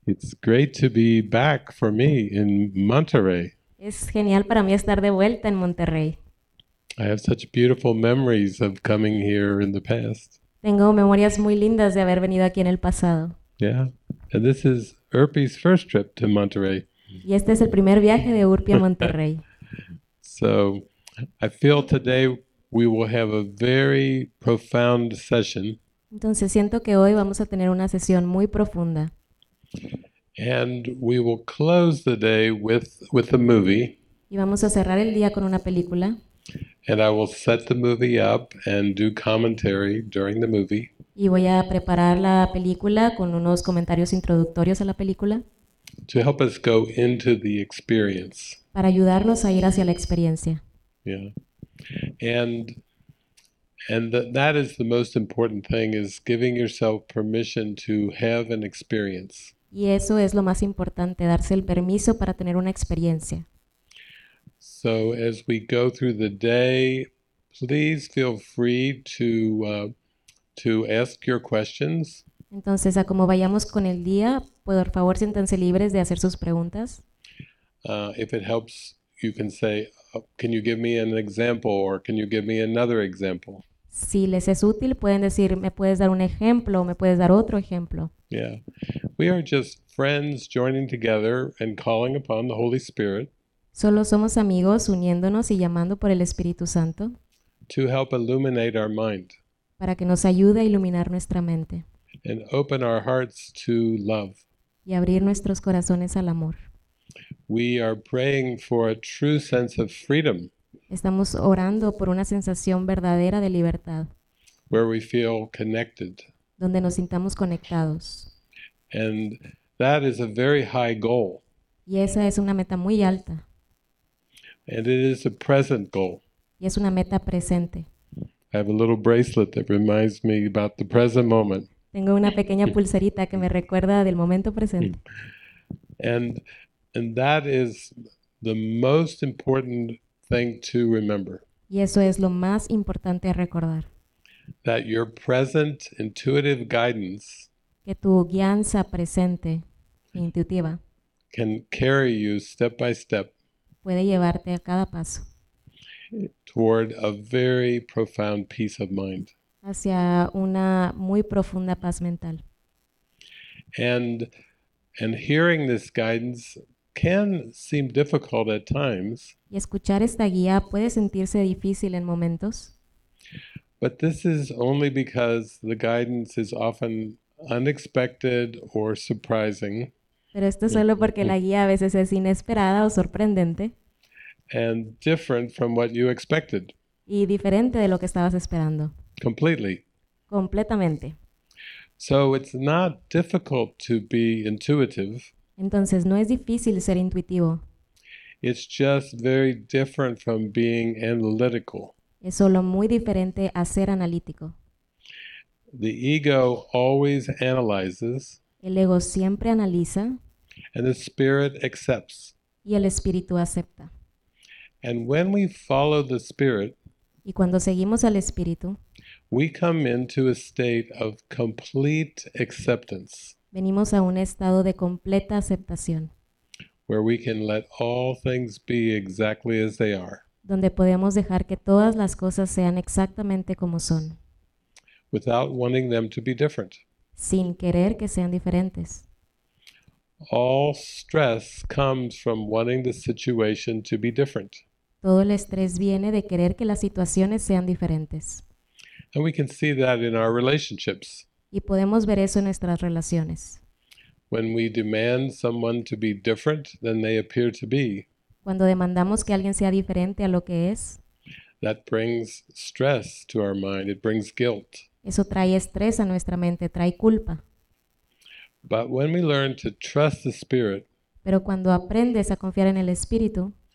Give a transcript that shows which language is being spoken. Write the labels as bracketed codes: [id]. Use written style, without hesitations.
[en] It's great to be back for me in Monterrey. [es] Es genial para mí estar de vuelta en Monterrey. [en] I have such beautiful memories of coming here in the past. [es] Tengo memorias muy lindas de haber venido aquí en el pasado. [en] Yeah, and this is Urpi's first trip to Monterrey. [es] Y este es el primer viaje de Urpia a Monterrey. [en] So I feel today we will have a very profound session. [es] Entonces siento que hoy vamos a tener una sesión muy profunda. [en] And we will close the day with a movie. [es] Y vamos a cerrar el día con una película. [en] And I will set the movie up and do commentary during the movie. [es] Y voy a preparar la película con unos comentarios introductorios a la película [en] To help us go into the experience. [es] para ayudarnos a ir hacia la experiencia. [en] Yeah. And that is the most important thing, is giving yourself permission to have an experience. [es] Y eso es lo más importante, darse el permiso para tener una experiencia. [en] So as we go through the day, please feel free to ask your questions. [es] Entonces, a como vayamos con el día, por favor, siéntanse libres de hacer sus preguntas. [en] If it helps, you can say, oh, can you give me an example, or can you give me another example? [es] Si les es útil, pueden decir, ¿me puedes dar un ejemplo o me puedes dar otro ejemplo? [en] Yeah. We are just friends joining together and calling upon the Holy Spirit [es] Solo somos amigos uniéndonos y llamando por el Espíritu Santo [en] to help illuminate our mind [es] para que nos ayude a iluminar nuestra mente [en] and open our hearts to love. [es] y abrir nuestros corazones al amor. [en] We are praying for a true sense of freedom, [es] Estamos orando por una sensación verdadera de libertad, [en] where we feel connected. [es] donde nos sintamos conectados. [en] And that is a very high goal. [es] Y esa es una meta muy alta. [en] And it is a present goal. [es] Y es una meta presente. [en] I have a little bracelet that reminds me about the present moment. [es] Tengo una pequeña pulserita que me recuerda del momento presente. [en] And that is the most important thing to remember. [es] Y eso es lo más importante a recordar. [en] That your present intuitive guidance [es] Que tu guianza presente e intuitiva [en] can carry you step by step [es] puede llevarte a cada paso [en] toward a very profound peace of mind. [es] hacia una muy profunda paz mental. [en] And hearing this guidance can seem difficult at times. [es] Y escuchar esta guía puede sentirse difícil en momentos. [en] But this is only because the guidance is often unexpected or surprising. [es] Pero esto es solo porque la guía a veces es inesperada o sorprendente [en] And different from what you expected. [es] y diferente de lo que estabas esperando. [en] Completely. [es] Completamente. [en] So it's not difficult to be intuitive. [es] Entonces, no es difícil ser intuitivo. [en] It's just very different from being analytical. [es] Es solo muy diferente a ser analítico. [en] The ego always analyzes, [es] El ego siempre analiza [en] and the spirit accepts. [es] y el espíritu acepta. [en] And when we follow the spirit, [es] Y cuando seguimos al espíritu, [en] we come into a state of complete acceptance, [es] venimos a un estado de completa aceptación, [en] where we can let all things be exactly as they are, [es] donde podemos dejar que todas las cosas sean exactamente como son, [en] without wanting them to be different. [es] sin querer que sean diferentes. [en] All stress comes from wanting the situation to be different. [es] Todo el estrés viene de querer que las situaciones sean diferentes. [en] And we can see that in our relationships. [es] Y podemos ver eso en nuestras relaciones. [en] When we demand someone to be different than they appear to be, [es] Cuando demandamos que alguien sea diferente a lo que es, [en] that brings stress to our mind, it brings guilt. [es] eso trae estrés a nuestra mente, trae culpa. [en] But when we learn to trust the Spirit, [es] Pero cuando aprendes a confiar en el Espíritu,